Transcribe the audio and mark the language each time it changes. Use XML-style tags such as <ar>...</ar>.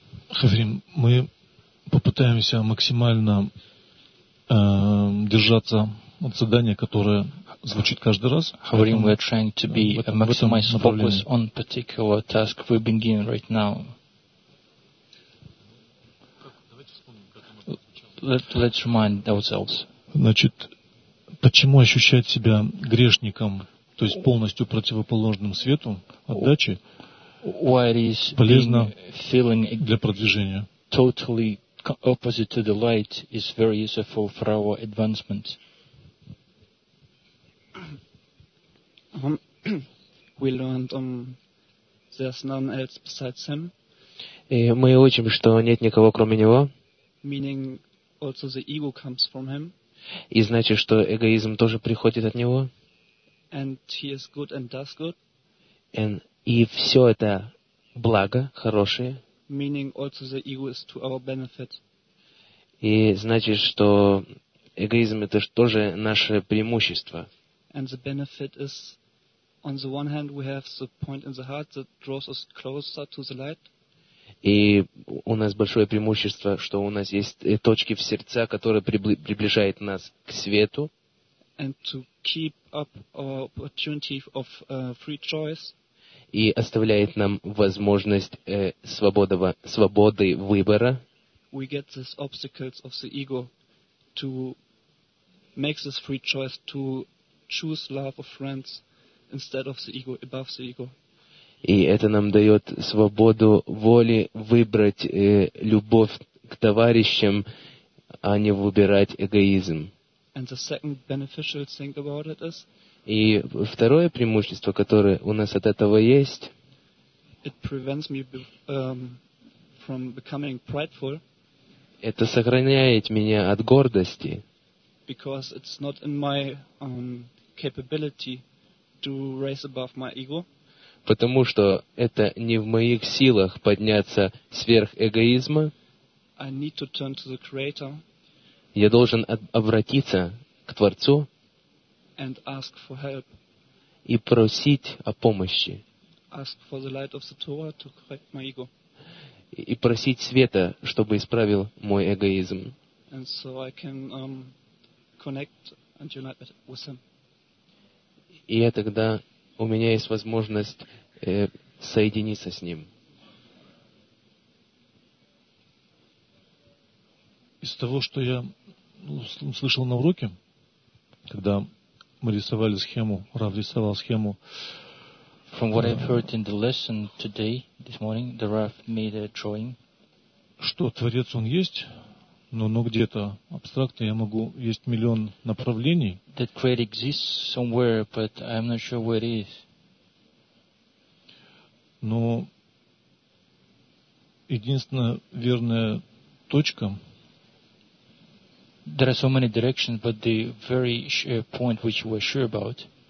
<ru>Хаврим, мы попытаемся максимально держаться от задания, которое звучит каждый раз.</ru> <en>Поэтому, we're trying to be maximize focus on particular task we've been given right now. Let's remind ourselves.</en> <ru>Значит, почему ощущать себя грешником, то есть полностью противоположным свету, отдаче, полезно для продвижения?</ru> <en>Totally opposite to the light is very useful for our advancement. We learned there's none else besides him.</en> <ru>И мы учим, что нет никого кроме него.</ru> <en>Meaning also the ego comes from him.</en> <ru>И значит, что эгоизм тоже приходит от него.</ru> <en>And he is good and does good.</en> <ru>And и все это благо, хорошее.</ru> <en>Meaning also the ego is to our benefit.</en> <ru>И значит, что эгоизм это тоже наше преимущество.</ru> <en>And the benefit is, on the one hand, we have the point in the heart that draws us closer to the light.</en> <ru>И у нас большое преимущество, что у нас есть точки в сердце, которые приближают нас к свету.</ru> <en>And to keep up our opportunity of free choice.</en> <ru>И оставляет нам возможность свободы выбора.</ru> <en>We get these obstacles of the ego to make this free choice to choose love of friends instead of the ego, above the ego.</en> <ru>И это нам дает свободу воли выбрать любовь к товарищам, а не выбирать эгоизм.</ru> <en>And the second beneficial thing about it is,</en> <ru>и второе преимущество, которое у нас от этого есть,</ru> <en>it prevents me from becoming prideful.</en> <ru>Это сохраняет меня от гордости.</ru> <en>Because it's not in my capability to rise above my ego.</en> <ru>Потому что это не в моих силах подняться сверх эгоизма.</ru> <en>I need to turn to the Creator.</en> <ru>Я должен обратиться к Творцу.</ru> <en>And ask for help.</en> <ru>И просить о помощи.</ru> <en>Ask for the light of the Torah to correct my ego.</en> <ru>И просить света, чтобы исправил мой эгоизм.</ru> <en>And so I can connect and unite with him.</en> <ru>И я тогда у меня есть возможность соединиться с ним. Из того, что я слышал на уроке, когда мы рисовали схему, Рав рисовал схему.</ru> <en>From what I've heard in the lesson today, this morning, the Rav made a drawing.</en> <ru>Что Творец он есть, но где-то абстрактно я могу есть миллион направлений.</ru> <en>That Creator exists somewhere, but I'm not sure where it is.</en> <ru>Но единственная верная точка.</ru> <en>There are so many directions, but the very point which we're sure about.</en>